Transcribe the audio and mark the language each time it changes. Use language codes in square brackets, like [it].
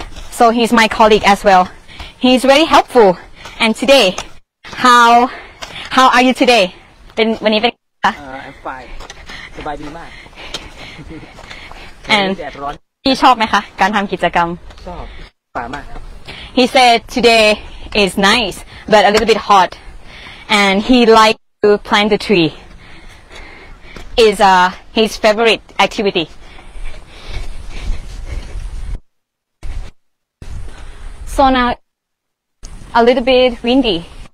[en] So he's my colleague as well. He's very helpful. And today, how are you today? I'm fine. And he [th] ชอบไหมคะการทำกิจกรรม ชอบมากมาก [en] He said today is nice but a little bit hot and he like to plant the tree is his favorite activity so now a little bit windy